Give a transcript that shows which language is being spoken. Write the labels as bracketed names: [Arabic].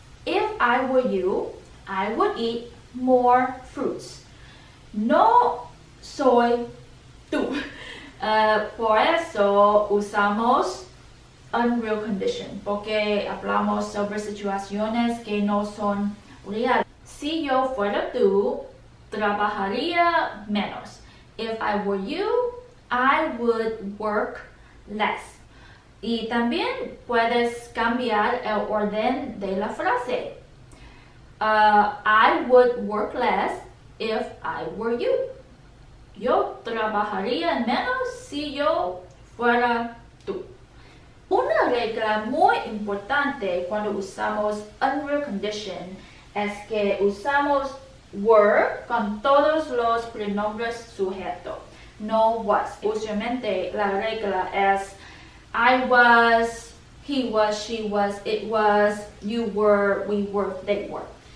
[English] If I were you, I would eat more fruits. [Spanish] No soy tú. Por eso usamos unreal condition, porque hablamos sobre situaciones que no son reales. Si yo fuera tú, trabajaría menos. [English] If I were you, I would work less. [Spanish] Y también puedes cambiar el orden de la frase. [English] I would work less if I were you. [Spanish] Yo trabajaría menos si yo fuera tú. Una regla muy importante cuando usamos unreal condition es que usamos were con todos los pronombres sujeto, no was. Usualmente la regla es [English] I was, he was, she was, it was, you were, we were, they were.